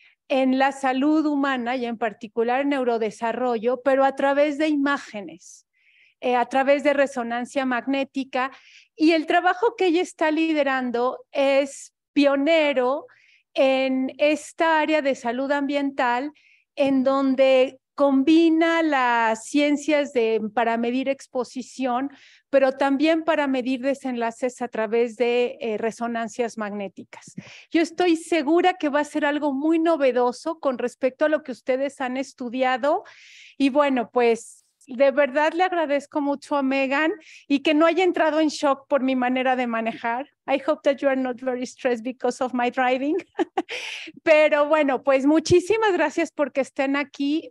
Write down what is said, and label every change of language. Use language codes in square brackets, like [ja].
[es] en la salud humana y en particular neurodesarrollo, pero a través de imágenes, a través de resonancia magnética, y el trabajo que ella está liderando es pionero en esta área de salud ambiental, en donde combina las ciencias para medir exposición, pero también para medir desenlaces a través de resonancias magnéticas. Yo estoy segura que va a ser algo muy novedoso con respecto a lo que ustedes han estudiado, y bueno, pues de verdad le agradezco mucho a Megan y que no haya entrado en shock por mi manera de manejar. [en] I hope that you are not very stressed because of my driving. [es] Pero bueno, pues muchísimas gracias porque estén aquí.